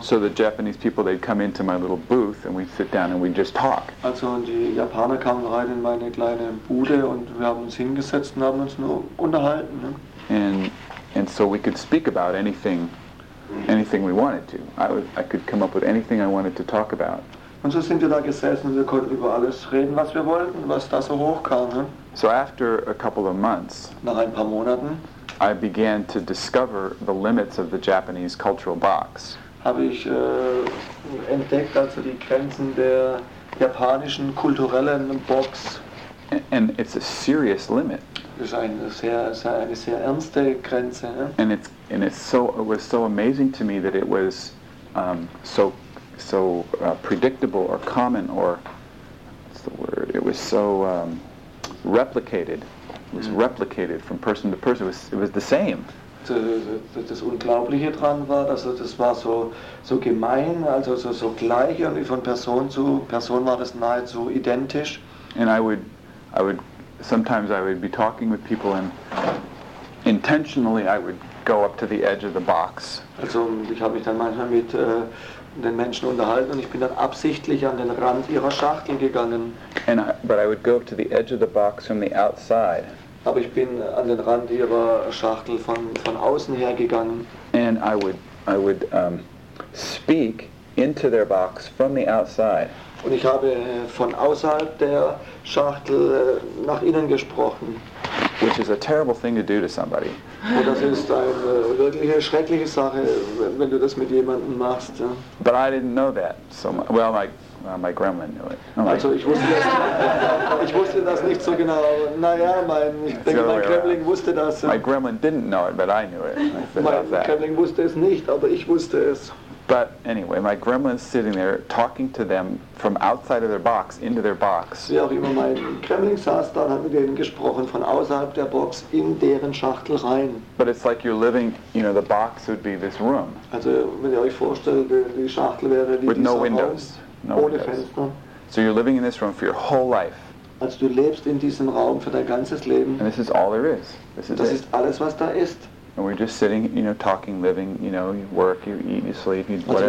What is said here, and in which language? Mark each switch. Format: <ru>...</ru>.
<en>So the Japanese people, they'd come into my little booth and we'd sit down and we'd just talk.</en> <de>Also die Japaner kamen rein in meine kleine Bude und wir haben uns hingesetzt und haben uns nur unterhalten, ne?</de> <en>And so we could speak about anything we wanted to. I could come up with anything I wanted to talk about.</en> <de>Und so sind wir da gesessen und wir konnten über alles reden, was wir wollten, was da so hochkam. Ne?</de> <en>So after a couple of months,</en> <de>nach ein paar Monaten,</de> <en>I began to discover the limits of the Japanese cultural box.</en> <de>Habe ich entdeckt, also die Grenzen der japanischen kulturellen Box.</de> <en>And it's a serious limit.</en> <de>Das ist eine sehr ernste Grenze. Ne?</de> <en>And it was so amazing to me that it was so predictable or common or what's the word? It was so replicated. It was replicated from person to person. It was the same.</en> <de>Das Unglaubliche dran war, dass das war so gemein, also so gleich und von Person zu Person war das nahezu identisch.</de> <en>And I would sometimes I would be talking with people and intentionally I would go up to the edge of the box.</en> <de>Also ich habe mich dann manchmal mit den Menschen unterhalten und ich bin dann absichtlich an den Rand ihrer Schachtel gegangen.</de> <en>But I would go up to the edge of the box from the outside.</en> <de>Aber ich bin an den Rand ihrer Schachtel von außen her gegangen.</de> <en>And I would I would speak into their box from the outside.</en> <de>Und ich habe von außerhalb der Schachtel nach innen gesprochen.</de> <en>Which is a terrible thing to do to somebody.</en> <de>Und das ist eine wirklich schreckliche Sache, wenn du das mit jemandem machst.</de> <en>But I didn't know that so much. Well, my gremlin knew it.</en> <de>Oh, also ich wusste das nicht so genau. Naja, mein gremlin wusste das.</de> <en>My gremlin didn't know it, but I knew it.</en> <de>Mein gremlin wusste es nicht, aber ich wusste es.</de> <en>But anyway, my gremlin is sitting there talking to them from outside of their box into their box.</en> <de>Wie auch immer, mein Gremlin saß da und hat mit denen gesprochen von außerhalb der Box in deren Schachtel rein.</de> <en>But it's like you're living, you know, the box would be this room.</en> <de>Also, wenn ihr euch vorstellt, die Schachtel wäre wie</de> <en>with</en> <de>dieser</de> <en>no windows,</en> <de>Raum,</de> <en>no</en> <de>ohne</de> <en>windows.</en> <de>Fenster.</de> <en>So you're living in this room for your whole life.</en> <de>Also, du lebst in diesem Raum für dein ganzes Leben.</de> <en>And this is all there is. This is</en> <de>das</de> <en>it.</en> <de>Ist alles, was da ist.</de> <en>And we're just sitting, you know, talking, living, you know, you work, you eat, you sleep, you whatever.</en>